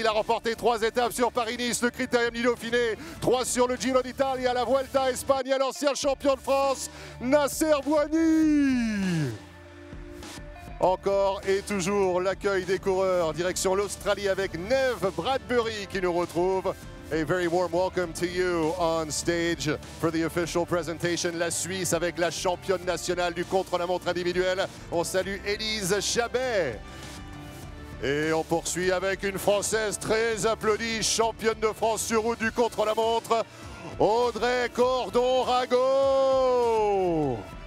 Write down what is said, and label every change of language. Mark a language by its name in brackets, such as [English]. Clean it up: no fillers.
[French] Il a remporté trois étapes sur Paris-Nice, le Critérium du Dauphiné, trois sur le Giro d'Italie, à la Vuelta à Espagne, à l'ancien champion de France, Nasser Bouhanni. Encore et toujours l'accueil des coureurs direction l'Australie avec Neve Bradbury qui nous retrouve. [English] A very warm welcome to you on stage for the official presentation. [French] La Suisse avec la championne nationale du contre-la-montre individuel. On salue Élise Chabet. Et on poursuit avec une Française très applaudie, championne de France sur route du contre-la-montre, Audrey Cordon-Rago.